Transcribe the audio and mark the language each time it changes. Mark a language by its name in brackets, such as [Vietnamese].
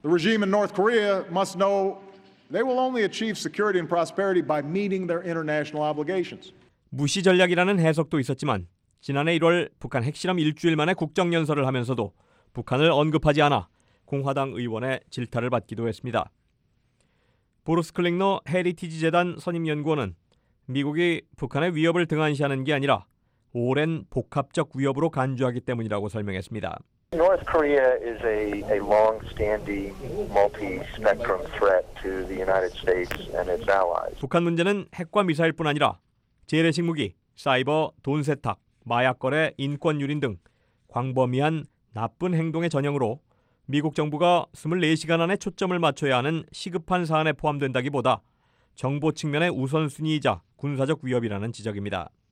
[English] The regime in North Korea must know they will only achieve security and prosperity by meeting their international obligations. [Korean] 무시 전략이라는 해석도 있었지만 지난해 1월 북한 핵실험 일주일 만에 국정 연설을 하면서도 북한을 언급하지 않아 공화당 의원의 질타를 받기도 했습니다. 보르스 클링너 헤리티지 재단 선임 연구원은 미국이 북한의 위협을 등한시하는 게 아니라 오랜 복합적 위협으로 간주하기 때문이라고 설명했습니다. [English] North Korea is a long-standing multi-spectrum threat to the United States and its allies. [Korean] 북한 문제는 핵과 미사일뿐 아니라 재래식 무기, 사이버, 돈 세탁, 마약 거래, 인권 유린 등 광범위한 나쁜 행동의 전형으로 미국 정부가 24시간 안에 초점을 맞춰야 하는 시급한 사안에 포함된다기보다 정보 측면의 우선순위이자 군사적 위협이라는 지적입니다.